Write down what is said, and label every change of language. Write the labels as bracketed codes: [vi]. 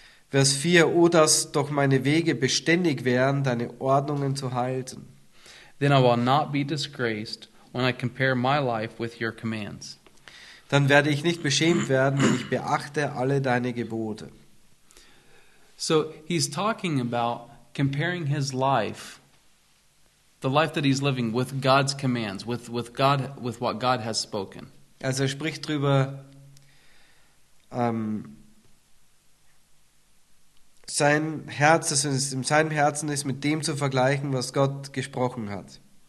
[de] Vers 4, oh, dass doch meine Wege beständig wären, deine Ordnungen zu halten. [en] Then I will not be disgraced when I compare my life with your commands. [de] Dann werde ich nicht beschämt werden, wenn ich beachte alle deine Gebote. [en] So he's talking about comparing his life, the life that he's living, with God's commands, with God, with what God has spoken. [de] Also er spricht drüber, sein Herz, das es in seinem Herzen ist, mit dem zu vergleichen, was Gott gesprochen hat.